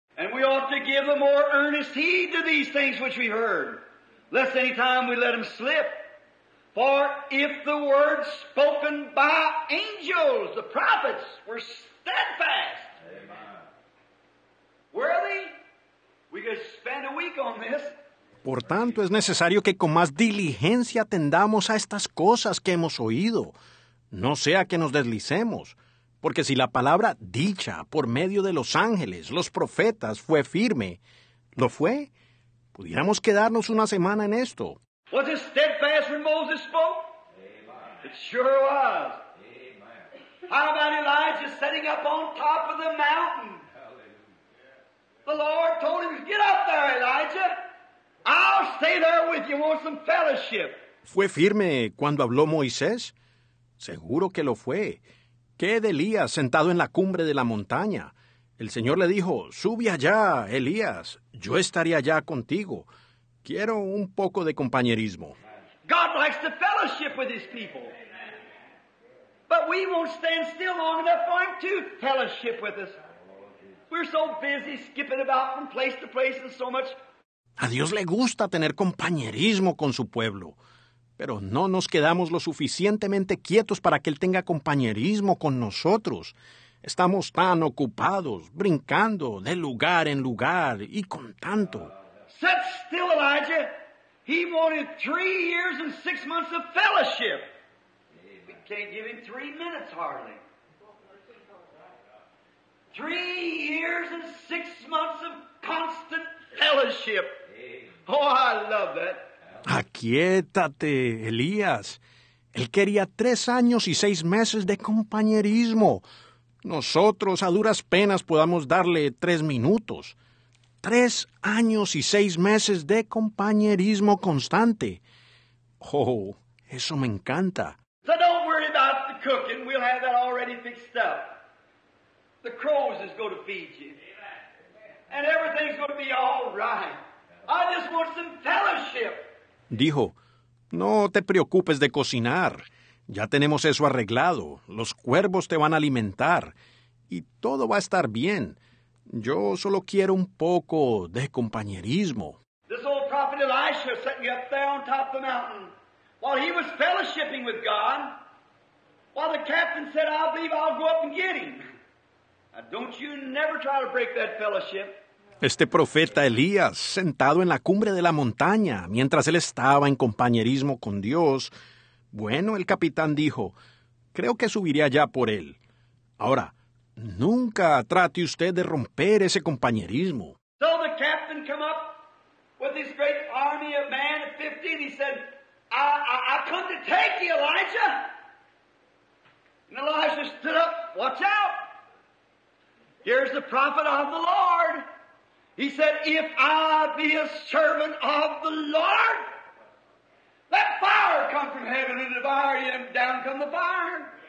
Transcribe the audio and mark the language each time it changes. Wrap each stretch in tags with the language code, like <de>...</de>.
<en>And we ought to give a more earnest heed to these things which we heard, lest any time we let them slip. For if the words spoken by angels, the prophets, were steadfast, amen, worthy, we could spend a week on this.</en> <es>Por tanto, es necesario que con más diligencia atendamos a estas cosas que hemos oído, no sea que nos deslicemos. Porque si la palabra dicha por medio de los ángeles, los profetas, fue firme, ¿lo fue? Pudiéramos quedarnos una semana en esto.</es> <en>¿Was it steadfast when Moses spoke? Amen. It sure was. Amen. How about Elijah setting up on top of the mountain? Hallelujah. The Lord told him, get up there, Elijah. I'll stay there with you. Want some fellowship.</en> <es>¿Fue firme cuando habló Moisés? Seguro que lo fue. ¿Qué de Elías sentado en la cumbre de la montaña? El Señor le dijo, sube allá, Elías. Yo estaré allá contigo. Quiero un poco de compañerismo.</es> <en>God likes to fellowship with his people. But we won't stand still long enough for him to fellowship with us. We're so busy skipping about from place to place and so much.</en> <es>A Dios le gusta tener compañerismo con su pueblo. Pero no nos quedamos lo suficientemente quietos para que Él tenga compañerismo con nosotros. Estamos tan ocupados, brincando de lugar en lugar y con tanto.</es> <en>Sit still, Elijah. He wanted 3 years and 6 months of fellowship. We can't give him 3 minutes hardly. 3 years and 6 months of constant fellowship. Oh, I love that.</en> <es>Aquiétate, Elías. Él quería 3 años y 6 meses de compañerismo. Nosotros a duras penas podamos darle 3 minutos. 3 años y 6 meses de compañerismo constante. Oh, eso me encanta.</es> <en>So don't worry about the cooking. We'll have that already fixed up. The crows is going to feed you. And everything's going to be all right. I just want some fellowship.</en> <es>Dijo, no te preocupes de cocinar. Ya tenemos eso arreglado. Los cuervos te van a alimentar. Y todo va a estar bien. Yo solo quiero un poco de compañerismo.</es> <en>This old prophet Elisha set me up there on top of the mountain. While he was fellowshipping with God. While the captain said, I believe I'll go up and get him. Now don't you never try to break that fellowship.</en> <es>Este profeta Elías, sentado en la cumbre de la montaña, mientras él estaba en compañerismo con Dios, bueno, el capitán dijo, creo que subiría ya por él. Ahora, nunca trate usted de romper ese compañerismo.</es> <en>So the captain came up with his great army of man of 50 and he said, I come to take you, Elijah. And Elijah stood up, watch out. Here's the prophet of the Lord. He said, if I be a servant of the Lord, let fire come from heaven and devour you, and down come the fire.</en>